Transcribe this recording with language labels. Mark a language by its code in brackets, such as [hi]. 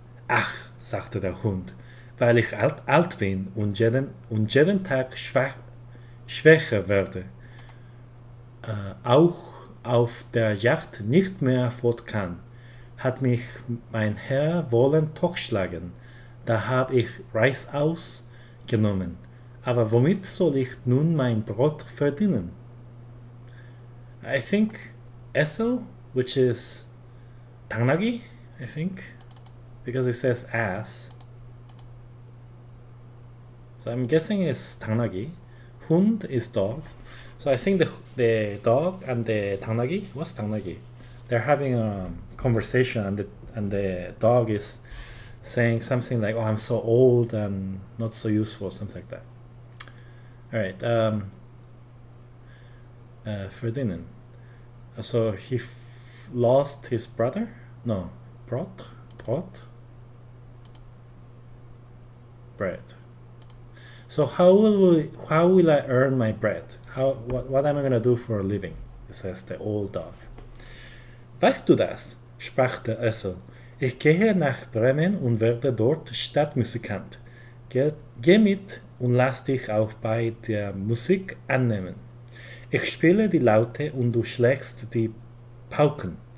[de] Ach, sagte der Hund, weil ich alt bin und jeden Tag schwächer werde, auch auf der Jagd nicht mehr fort kann, hat mich mein Herr wollen totschlagen. Da habe ich Reißaus genommen, Aber womit soll ich nun mein Brot verdienen? [en] I think esso, which is tangnagi, I think, because it says ass. So I'm guessing it's tangnagi. Hund is dog. So I think the dog and the tangnagi, what's tangnagi? They're having a conversation, and the dog is saying something like, "Oh, I'm so old and not so useful," something like that. All right, Ferdinand. So he f lost his brother? No, brot, bread. So how will I earn my bread? What am I gonna do for a living? It says the old dog. [de] Weißt du das? Sprach der Esel. Ich gehe nach Bremen und werde dort Stadtmusikant. Geh mit und lass dich auch bei der Musik annehmen. Ich spiele die Laute und du schlägst die Pauken.